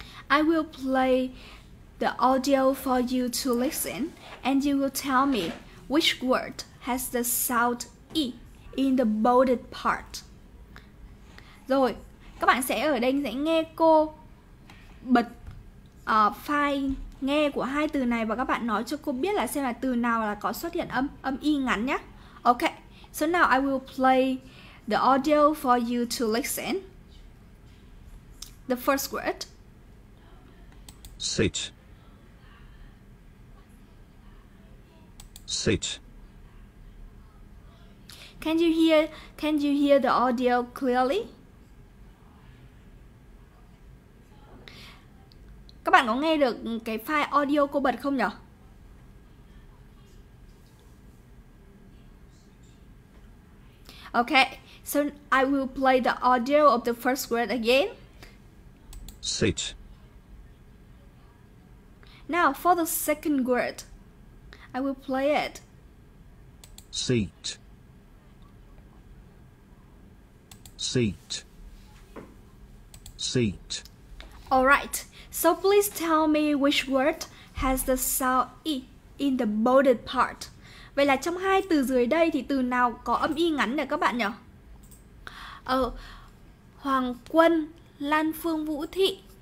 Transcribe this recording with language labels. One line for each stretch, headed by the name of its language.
English: I will play the audio for you to listen and you will tell me which word has the sound E in the bolded part.
Vietnamese: Rồi. Các bạn sẽ ở đây sẽ nghe cô bật file nghe của hai từ này và các bạn nói cho cô biết là xem là từ nào là có xuất hiện âm y ngắn nhé.
English: Okay, so now I will play the audio for you to listen. The first word. Sit. Sit. Can you hear the audio clearly?
Vietnamese: Các bạn có nghe được cái file audio cô bật không nhỉ?
English: Okay, So I will play the audio of the first word again. Sit. Now for the second word, I will play it. Seat. Seat. Seat. All right. So please tell me which word has the sound I in the bolded part.
Vietnamese: Vậy là trong hai từ dưới đây thì từ nào có âm I ngắn nhỉ các bạn nhỉ? Hoàng Quân, Lan Phương, Vũ Thị.